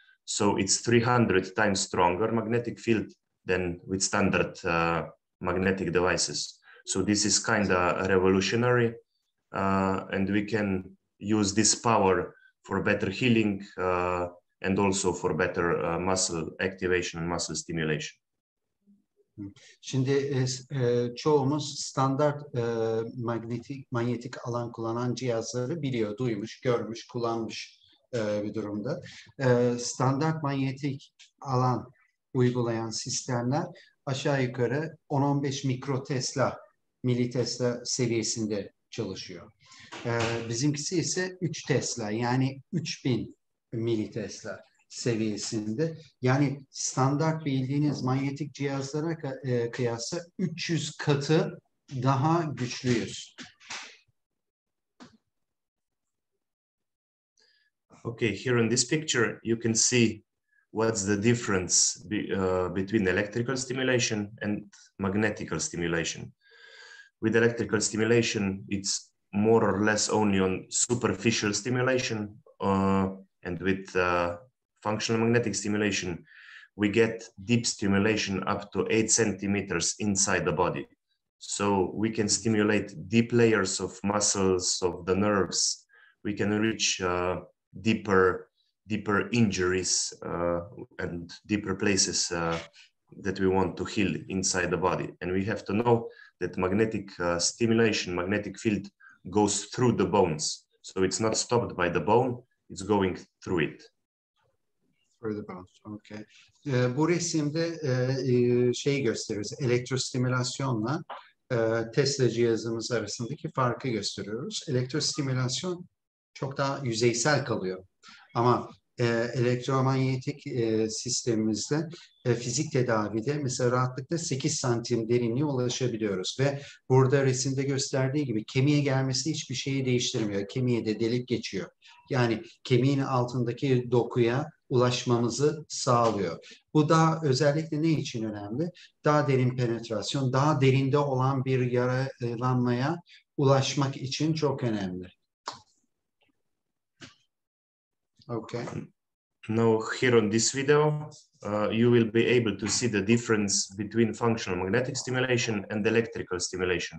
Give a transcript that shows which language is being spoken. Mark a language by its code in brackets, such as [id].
[en] So it's 300 times stronger magnetic field than with standard magnetic devices. So this is kind of revolutionary, and we can use this power for better healing and also for better muscle activation and muscle stimulation. [tr] Şimdi çoğumuz standart manyetik alan kullanan cihazları biliyor, duymuş, görmüş, kullanmış bir durumda. Standart manyetik alan uygulayan sistemler aşağı yukarı 10-15 mikrotesla, militesla seviyesinde çalışıyor. Bizimkisi ise 3 Tesla, yani 3000 militesla seviyesinde. Yani standart bildiğiniz manyetik cihazlara kıyasla 300 katı daha güçlüyüz. [en] Okay, here in this picture you can see what's the difference between electrical stimulation and magnetical stimulation. With electrical stimulation, it's more or less only on superficial stimulation, and with functional magnetic stimulation, we get deep stimulation up to 8 centimeters inside the body. So we can stimulate deep layers of muscles, of the nerves. We can reach deeper deeper injuries and deeper places that we want to heal inside the body. And we have to know that magnetic stimulation, magnetic field goes through the bones. So it's not stopped by the bone, it's going through it. Through the bones, okay. [tr] Bu resimde şeyi gösteriyoruz, elektrostimülasyonla Tesla cihazımız arasındaki farkı gösteriyoruz. Elektrostimülasyon çok daha yüzeysel kalıyor. Ama elektromanyetik sistemimizde fizik tedavide mesela rahatlıkla 8 santim derinliğe ulaşabiliyoruz. Ve burada resimde gösterdiği gibi kemiğe gelmesi hiçbir şeyi değiştirmiyor. Kemiğe de delik geçiyor. Yani kemiğin altındaki dokuya ulaşmamızı sağlıyor. Bu da özellikle ne için önemli? Daha derin penetrasyon, daha derinde olan bir yaralanmaya ulaşmak için çok önemli. [en] Okay. Now here on this video, you will be able to see the difference between functional magnetic stimulation and electrical stimulation.